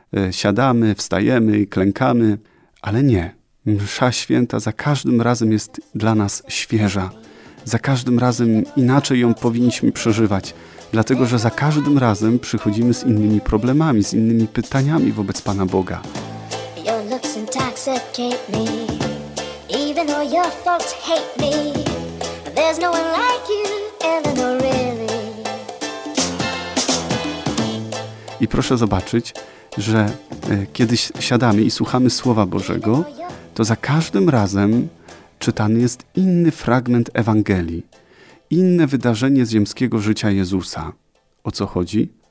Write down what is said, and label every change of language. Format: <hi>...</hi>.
<pl>Siadamy, wstajemy, klękamy. Ale nie. Msza święta za każdym razem jest dla nas świeża. Za każdym razem inaczej ją powinniśmy przeżywać. Dlatego, że za każdym razem przychodzimy z innymi problemami, z innymi pytaniami wobec Pana Boga.</pl> <en>Your looks intoxicate me, even though your folks hate me. There's no one like you, Eleanor, really.</en> <pl>I proszę zobaczyć, że kiedy siadamy i słuchamy Słowa Bożego, to za każdym razem czytany jest inny fragment Ewangelii. Inne wydarzenie z ziemskiego życia Jezusa. O co chodzi?</pl>